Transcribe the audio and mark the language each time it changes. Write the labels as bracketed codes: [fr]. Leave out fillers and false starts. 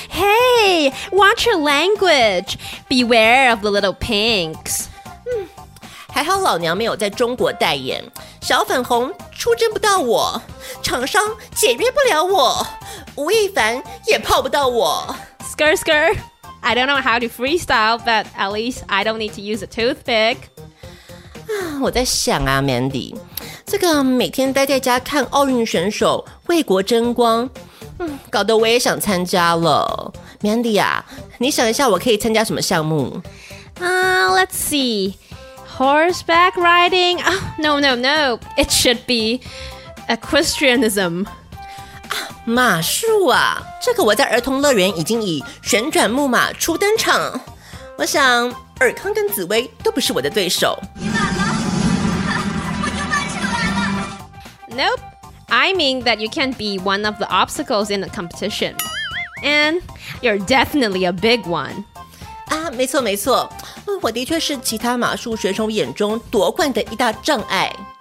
[en] Hey, watch your language, beware of the little pinks。 [zh] 还好老娘没有在中国代言，小粉红出征不到我，厂商解约不了我，吴亦凡也泡不到我。 [en] Skr skr, I don't know how to freestyle, but at least I don't need to use a toothpick。 [zh] 我在想啊 Mandy，这个每天待在家看奥运选手为国争光，搞得我也想参加了。 Mandy 啊，你想一下我可以参加什么项目？ [en] Let's see, horseback riding? No, no, no, it should be equestrianism。 [zh] 马术啊，这个我在儿童乐园已经以旋转木马初登场，我想尔康跟紫薇都不是我的对手。 [en] Nope, I mean that you can't be one of the obstacles in the competition. And you're definitely a big one. [zh] 啊，没错没错，我的确是其他马术选手眼中夺冠的一大障碍。